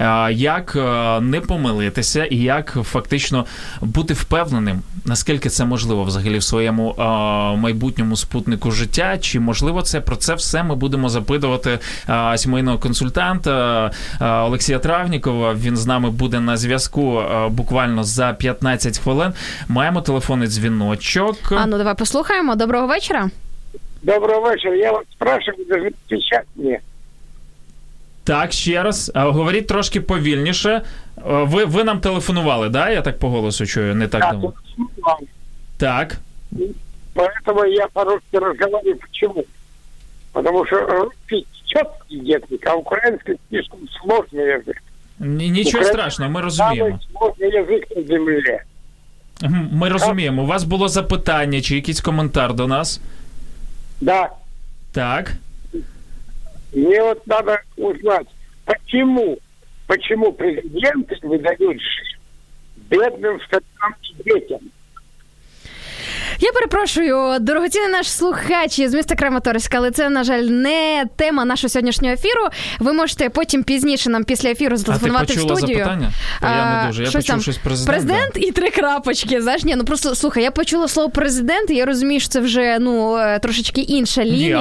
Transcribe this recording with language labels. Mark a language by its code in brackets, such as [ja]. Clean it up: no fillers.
[uk] Як не помилитися і як фактично бути впевненим, наскільки це можливо взагалі в своєму майбутньому супутнику життя, чи можливо це? Про це все ми будемо запитувати сімейного консультанта Олексія Травнікова. Він з нами буде на зв'язку буквально за 15 хвилин. Маємо телефонний дзвіночок. А, ну давай послухаємо. Доброго вечора. Доброго вечора. [ru] Я вас спрашиваю, даже печатнее. [uk] Так, ще раз. Говоріть трошки повільніше. Ви нам телефонували, да? Я так по голосу чую, не так давно. Так. [ru] Поэтому я по-русски разговариваю. Почему? Потому что русский четкий язык, а украинский слишком сложный язык. [uk] Нічого страшного, ми розуміємо. [ru] Сложный язык на земле. [uk] Ми розуміємо. У вас було запитання чи якийсь коментар до нас? [ru] Да. [uk] Так. [ru] Мне вот надо узнать, почему президенты выдают бедным старикам и детям? [uk] Я перепрошую, дорогоцінний наш слухач з міста Краматорська, але це, на жаль, не тема нашого сьогоднішнього ефіру. Ви можете потім пізніше нам після ефіру зателефонувати в студію. А ти почула запитання? Я не дуже, я почув там, щось президент. Президент і три крапочки, знаєш? Ні, ну просто, слухай, я почула слово президент, і я розумію, що це вже, ну, трошечки інша лінія.